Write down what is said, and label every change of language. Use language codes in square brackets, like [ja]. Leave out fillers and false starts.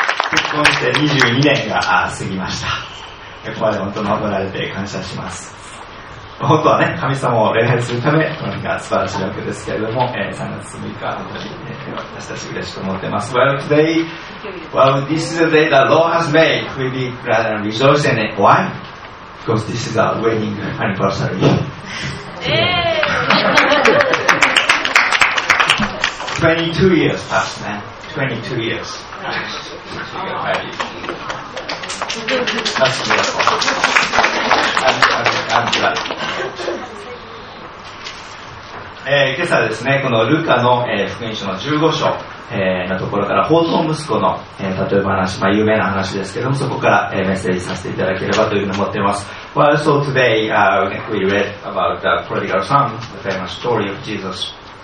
[ja] 結婚して22年が過ぎました。ここまで本当に守られて感謝します。本当はね、神様を礼拝するためこの日が素晴らしいわけですけれども、3月6日の日、私たち嬉しく思ってます。 [en] Well, today, well, this is the day that the Lord has made. We be glad and rejoice in it. Why? Because this is our wedding anniversary. Twenty-two years passed, man. [ja] 今朝ですね、このルカの福音書の15章のところから、放蕩息子の例え話、有名な話ですけども、そこからメッセージさせていただければというふうに思っています。 [en] Well, so today, we read about the prodigal son, the famous story of Jesus.